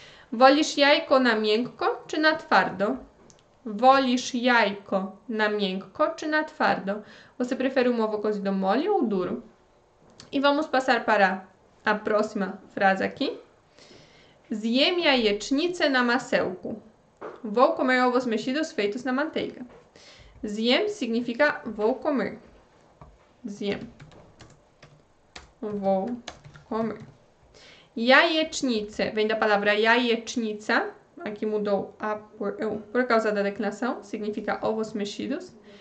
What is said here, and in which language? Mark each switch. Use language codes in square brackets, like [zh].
[pl] Wolisz jajko na miękko czy na twardo? Wolisz jajko na miękko czy na twardo? [pt] Você prefere um ovo cozido mole ou duro? E vamos passar para a próxima frase aqui. [pl] Zjem jajecznicę na masełku. [pt] Vou comer ovos mexidos feitos na manteiga. Zjem significa vou comer. Zjem. Vou comer. Jajecznice vem da palavra jajecznica. Aqui mudou a por causa da declinação. Significa ovos mexidos.